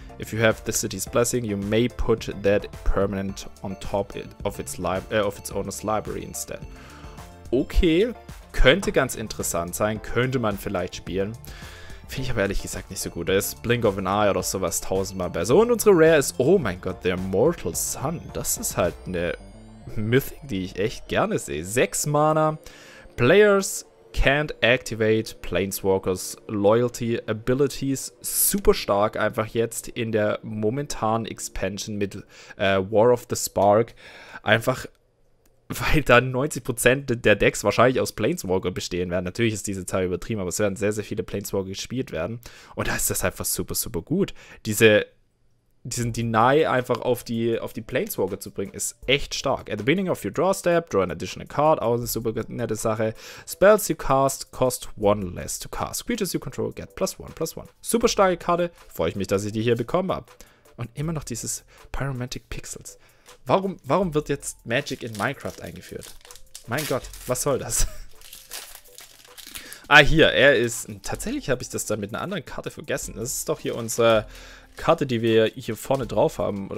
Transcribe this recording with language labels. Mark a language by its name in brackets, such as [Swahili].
[English] If you have the City's Blessing, you may put that permanent on top of its owner's library instead. [German] Okay, könnte ganz interessant sein, könnte man vielleicht spielen. Finde ich aber ehrlich gesagt nicht so gut. Da ist Blink of an Eye oder sowas tausendmal besser. Und unsere Rare ist, oh mein Gott, The Immortal Sun. Das ist halt eine Mythic, die ich echt gerne sehe. 6 Mana, [English] Players can't activate Planeswalkers Loyalty Abilities, [German] super stark einfach jetzt in der momentanen Expansion mit War of the Spark, einfach weil dann 90% der Decks wahrscheinlich aus Planeswalker bestehen werden. Natürlich ist diese Zahl übertrieben, aber es werden sehr, sehr viele Planeswalker gespielt werden und da ist das einfach super, super gut. Diese diesen Deny einfach auf die Planeswalker zu bringen, ist echt stark. [English] At the beginning of your draw step, draw an additional card, [German] auch eine super nette Sache. [English] Spells you cast cost one less to cast. Creatures you control get +1/+1. [German] Super starke Karte, freue ich mich, dass ich die hier bekommen habe. Und immer noch dieses Pyromantic Pixels. Warum wird jetzt Magic in Minecraft eingeführt? Mein Gott, was soll das? Ah, hier, er ist... Tatsächlich habe ich das dann mit einer anderen Karte vergessen. Das ist doch hier unsere Karte, die wir hier vorne drauf haben.